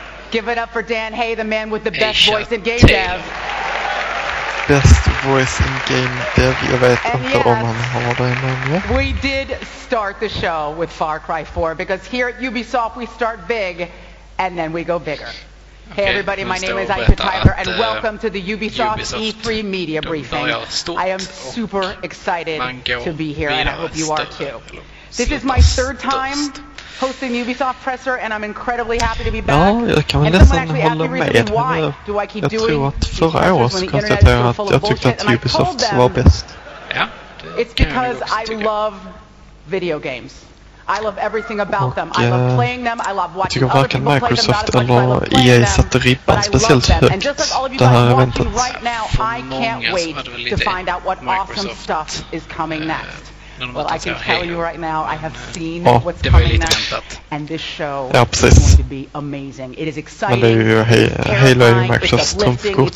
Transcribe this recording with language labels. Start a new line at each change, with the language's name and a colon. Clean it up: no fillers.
English: Give it up for Dan Hay, the man with the best voice in game dev. Best voice in game dev.
Swedish: Jag vet inte om han har det, men ja.
English: We did start the show with Far Cry 4 because here at Ubisoft we start big and then we go bigger. Okay, hey everybody, my name is Aisha Tyler and welcome to the Ubisoft E3 media briefing. I am super excited to be here and I hope you are too. This is my third time hosting Ubisoft presser and I'm incredibly happy to be back.
Swedish: Ja, jag kan väl nästan hålla med. Jag tror att förra året så konstaterade jag att jag tyckte att Ubisoft var bäst. Ja,
English: it's because I love video games. I love everything about them. I love playing them. I love watching other people play them. Not as much as I love
Swedish: EA satte ribban speciellt högt. Det här eventet.
English: Right now, I can't wait to find out what awesome stuff is coming next. Well, I can tell you right now, I have seen what's coming next, and this show
Swedish: ja,
English: is going to be amazing. It is exciting.
Swedish: Men det är ju Halo i Microsofts trumfkort.